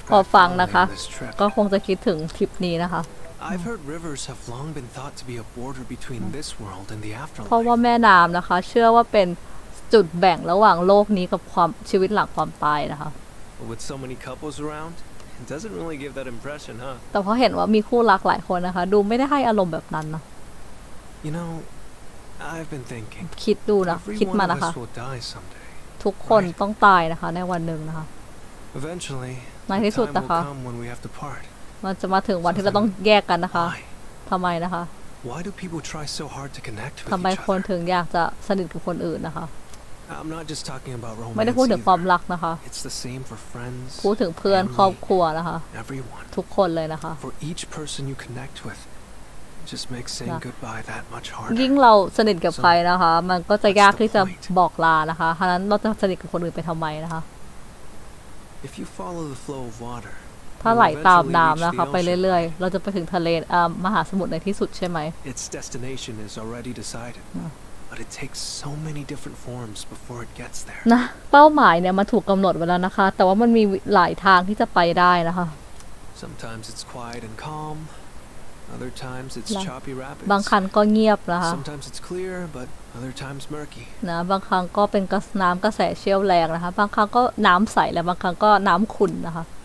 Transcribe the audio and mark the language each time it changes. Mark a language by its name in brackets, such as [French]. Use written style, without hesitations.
[English] this trip. [Thai] พอฟังนะคะก็คงจะคิดถึงทริปนี้นะคะ [English] I've heard rivers have long been thought to be a border between this world and the afterlife. [Thai] เพราะว่าแม่น้ำนะคะเชื่อว่าเป็นจุดแบ่งระหว่างโลกนี้กับความชีวิตหลังความตายนะคะ [English] But with so many couples around, it doesn't really give that impression, huh? [Thai] แต่พอเห็นว่ามีคู่รักหลายคนนะคะดูไม่ได้ให้อารมณ์แบบนั้นนะ [English] You know. I've been thinking. [Thai] คิดดูนะคิดมานะคะทุกคนต้องตายนะคะในวันหนึ่งนะคะ [English] Eventually, [Thai] ในที่สุดนะคะมันจะมาถึงวันที่เราต้องแยกกันนะคะทำไมนะคะ [English] Why do people try so hard to connect with each other? [Thai] ทำไมคนถึงอยากจะสนิทกับคนอื่นนะคะ [English] I'm not just talking about romance. [Thai] ไม่ได้พูดถึงความรักนะคะ [English] It's the same for friends. [Thai] พูดถึงเพื่อนครอบครัวนะคะ [English] Everyone. [Thai] ทุกคนเลยนะคะ [English] For each person you connect withJust make saying goodbye that much harder. [Thai] ยิ่งเราสนิทกับใครนะคะมันก็จะยากที่จะบอกลานะคะฉะนั้นเราจะสนิทกับคนอื่นไปทำไมนะคะ [English] If you follow the flow of water, [Thai] ถ้าไหลตามน้ำนะคะไปเรื่อยๆเราจะไปถึงทะเลมหาสมุทรในที่สุดใช่ไหม [English] Its destination is already decided, but it takes so many different forms before it gets there. [Thai] นะเป้าหมายเนี่ยมันถูกกำหนดไว้แล้วนะคะแต่ว่ามันมีหลายทางที่จะไปได้นะคะ [English] Sometimes it's quiet and calm. Other times it's choppy rapids. [Thai] บางครั้งก็เงียบนะคะ [English] Sometimes it's clear, but other times murky. [Thai] นะบางครั้งก็เป็นกระแสน้ำกระแสเชี่ยวแรงนะคะบางครั้งก็น้ำใสและบางครั้งก็น้ำขุ่นนะคะ